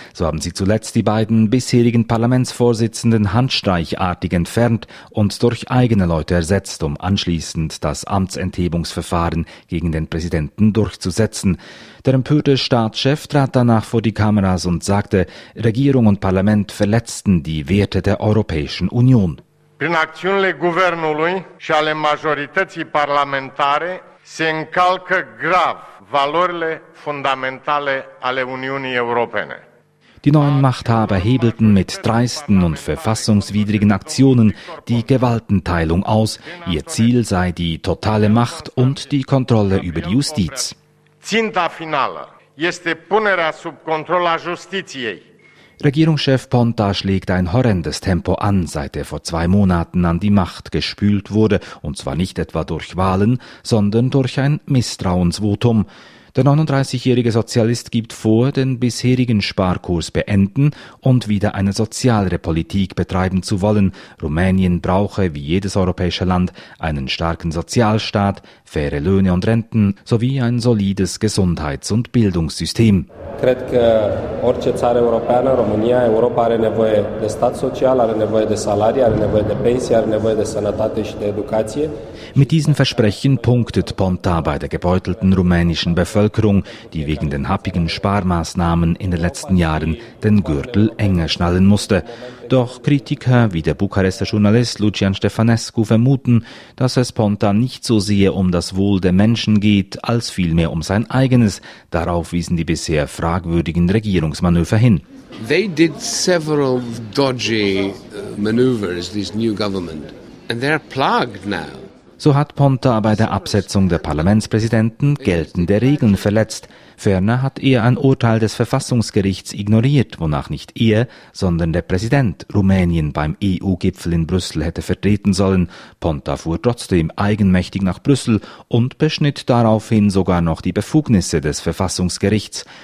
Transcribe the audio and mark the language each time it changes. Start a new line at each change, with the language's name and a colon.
German: So haben sie zuletzt die beiden bisherigen Parlamentsvorsitzenden handstreichartig entfernt und durch eigene Leute ersetzt, um anschließend das Amtsenthebungsverfahren gegen den Präsidenten durchzusetzen. Der empörte Staatschef trat danach vor die Kameras und sagte, Regierung und Parlament verletzten die Werte der Europäischen Union.
Romanian: Prin acțiunile guvernului și ale majorității parlamentare se încalcă grav valorile fundamentale ale Uniunii Europene.
German: Die neuen Machthaber hebelten mit dreisten und verfassungswidrigen Aktionen die Gewaltenteilung aus. Ihr Ziel sei die totale Macht und die Kontrolle über die Justiz.
Romanian: Ținta finală este punerea sub control a justiției.
German: Regierungschef Ponta schlägt ein horrendes Tempo an, seit er vor zwei Monaten an die Macht gespült wurde, und zwar nicht etwa durch Wahlen, sondern durch ein Misstrauensvotum. Der 39-jährige Sozialist gibt vor, den bisherigen Sparkurs beenden und wieder eine sozialere Politik betreiben zu wollen. Rumänien brauche, wie jedes europäische Land, einen starken Sozialstaat, faire Löhne und Renten sowie ein solides Gesundheits- und Bildungssystem.
Romanian: Cred că orice țară europeană, România, Europa are nevoie de stat social, are nevoie de salarii, are nevoie de pensii, are nevoie de sănătate și de educație.
German: Mit diesen Versprechen punktet Ponta bei der gebeutelten rumänischen Bevölkerung, die wegen den happigen Sparmaßnahmen in den letzten Jahren den Gürtel enger schnallen musste. Doch Kritiker wie der Bukarester Journalist Lucian Stefanescu vermuten, dass es Ponta nicht so sehr um das Wohl der Menschen geht, als vielmehr um sein eigenes. Darauf wiesen die bisher fragwürdigen Regierungsmanöver hin.
English: They did several dodgy maneuvers, this new government, and they're plagued now.
German: So hat Ponta bei der Absetzung der Parlamentspräsidenten geltende Regeln verletzt. Ferner hat er ein Urteil des Verfassungsgerichts ignoriert, wonach nicht er, sondern der Präsident Rumänien beim EU-Gipfel in Brüssel hätte vertreten sollen. Ponta fuhr trotzdem eigenmächtig nach Brüssel und beschnitt daraufhin sogar noch die Befugnisse des Verfassungsgerichts.